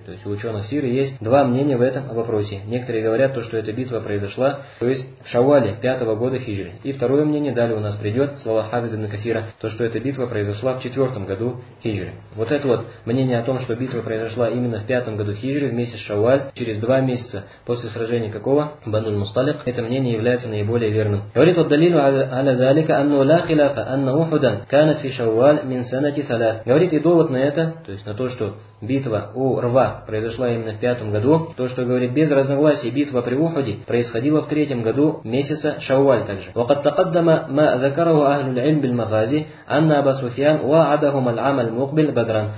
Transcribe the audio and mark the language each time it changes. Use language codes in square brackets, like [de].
[ru] То есть у ученых Сиры есть два мнения в этом вопросе. Некоторые говорят, то, что эта битва произошла, то есть в Шаваль 5 года хиджры. И второе мнение, далее у нас придет, слова Хафиза ибн Касира, то, что эта битва произошла в 4 году хиджры. Вот это вот мнение о том, что битва произошла именно в 5 году хиджры, в месяц Шаваль, через два месяца после сражения какого? Бануль Мусталик. Это мнение является наиболее верным. Говорит, вот [ar] далину على ذلك أنه لا خلاف أن أحدا كانت في شوال من سنة ثلاث. [ru] Говорит, и довод на это, то есть на то, что битва у Рва произошла именно в 5 году, то, что говорит, без разногласий битва при Ухуде происходила в 3 году месяца Шаваль также. [ar] وقد تقدم ما ذكره أهل العلم بالمغازي أن أبا سفيان وعده لهم العمل المقبل بدرا.